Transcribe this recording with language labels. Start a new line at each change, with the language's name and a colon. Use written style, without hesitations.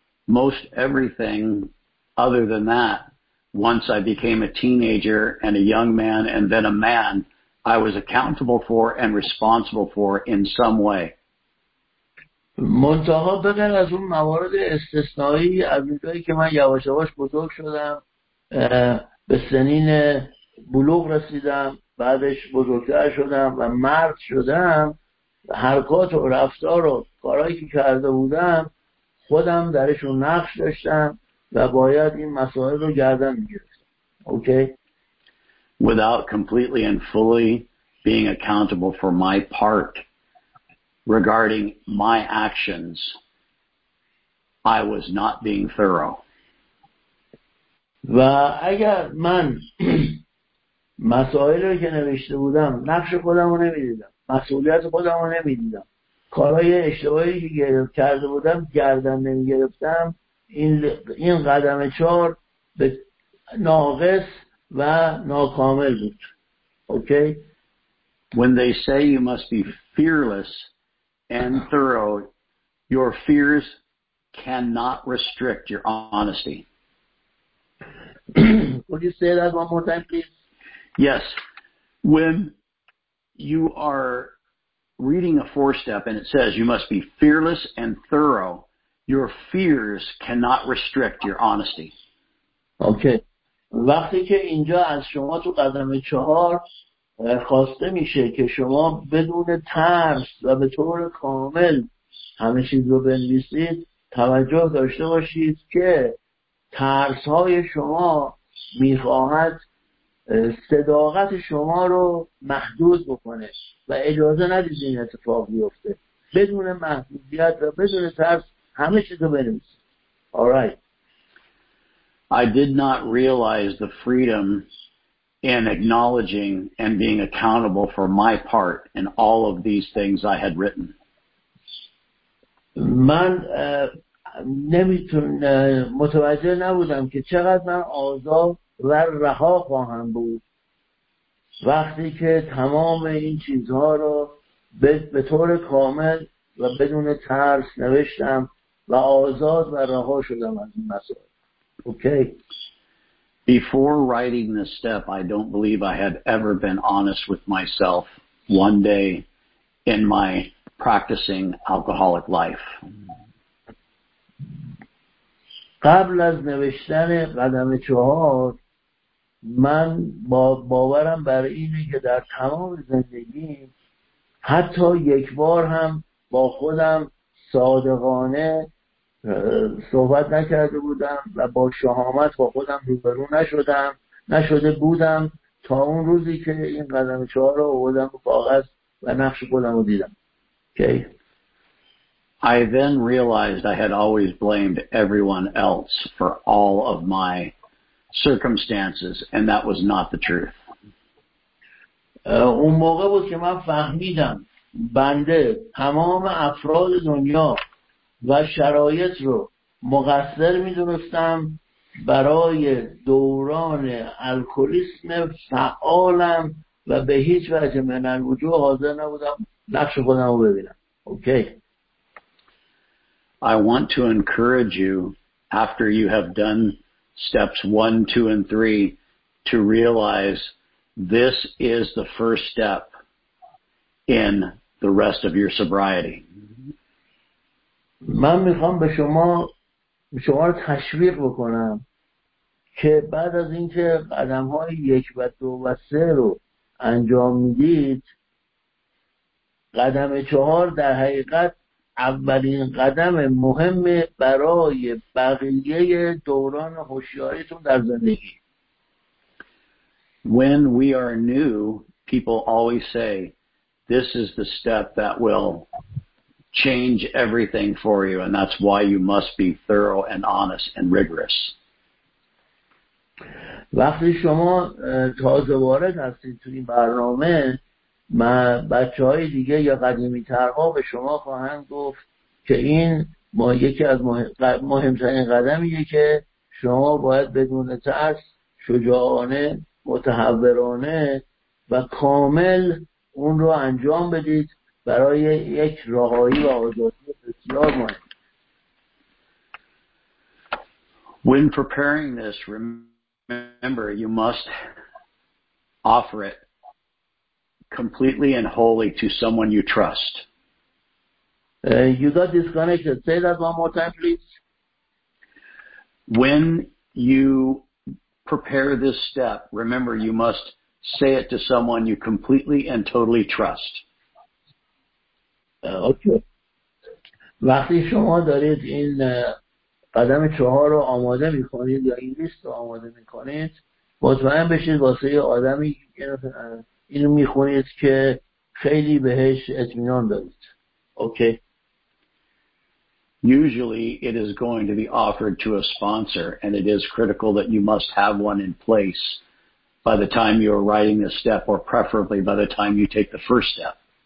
English: Most everything other than that, once I became a teenager and a young man and then a man, I was accountable for and responsible for in some way.
Persian: منتها بغیر از اون موارد استثنایی، از اونجایی که من یواش یواش بزرگ شدم، به سنین بلوغ رسیدم، بعدش بزرگتر شدم و مرد شدم، حرکات و رفتار و کارهایی که کرده بودم خودم درشون نقش داشتم و باید این مسائل رو گردن می‌گرفتم.
English: Okay? Without completely and fully being accountable for my part regarding my actions, I was not being thorough.
Persian: و اگر من مسائلی که نوشته بودم نقش خودم رو نمی‌دیدم، مسئولیت خودم رو نمی‌دیدم، کارهای اشتباهی که کرده بودم گردن نمی گرفتم، این قدم چهار به ناقص و ناکامل بود.
English: Okay? When they say you must be fearless and thorough, your fears cannot restrict your honesty. Would you say that one more time, please? Yes. When you are reading a four-step and it says you must be fearless and thorough, your fears cannot restrict your honesty. Okay.
Persian: وقتی که اینجا از شما تو قدم چهار خواسته میشه که شما بدون ترس و به طور کامل همه چیز رو بنویسید، توجه داشته باشید که ترس های شما میخواهد صداقت شما رو محدود بکنه و اجازه ندید این اتفاق بیفته. بدون محدودیت و بدون ترس همه چیز رو بنویسید.
English: Alright. I did not realize the freedom in acknowledging and being accountable for my part in all of these things I had written.
Persian: من نمیتون متوجه نبودم که چقدر من آزاد و رها خواهم بود وقتی که تمام این چیزها رو به طور کامل و بدون ترس نوشتم و آزاد و رها شدم از این مسئله.
English: Okay. Before writing this step, I don't believe I had ever been honest with myself one day in my practicing alcoholic life.
Persian: قبل از نوشتن قدم چهار من باورم بر اینه که در تمام زندگی حتی یک بار هم با خودم صادقانه صحبت نکرده بودم و با شهامت با خودم روبرو نشده بودم تا اون روزی که این قدم چهار رو آوردم به کاغذ و نقش خودم رو دیدم.
English: Okay. I then realized I had always blamed everyone else for all of my circumstances, and that was not the truth.
Persian: اون موقع بود که من فهمیدم بنده تمام افراد دنیا و شرایط رو مقصر می‌دونستم برای دوران الکلیسم فعالم و به هیچ وجه من وجود حاضر نبودم نقش خودم رو ببینم.
English: Okay. I want to encourage you after you have done steps 1, 2, and 3 to realize this is the first step in the rest of your sobriety.
Persian: من میخوام به شما رو تشویق بکنم که بعد از اینکه قدم های 1, 2, و 3 رو انجام میدید، قدم چهار در حقیقت اولین قدم مهم برای بقیه دوران هوشیاریتون در زندگی.
English: When we are new, people always say this is the step that will change everything for you, and that's why you must be thorough and honest and rigorous.
Persian: وقتی شما تازه وارد هستید تو این برنامه، ما بچه‌های دیگه یا قدیمی‌ترها به شما خواهند گفت که این ما یکی از مهمترین قدمیه که شما باید بدون ترس، شجاعانه، متحورانه و کامل اون رو انجام بدید برای یک رهایی و آزادی بسیار مهم.
English: When preparing this, remember you must offer it completely and wholly to someone you trust. You got disconnected. Say that one more time, please. When you prepare this step, remember you must say it to someone you completely and totally trust. Okay.
Persian: وقتی شما دارید این قدم چهار رو آماده میکنید یا این لیست رو آماده میکنید، مطمئن بشید واسه یه آدمی اینو میخونید که خیلی بهش اطمینان دارید.
English: Okay. Usually it is going to be offered to a sponsor, and it is critical that you must have one in place by the time you are writing this step, or preferably by the time you take the first step.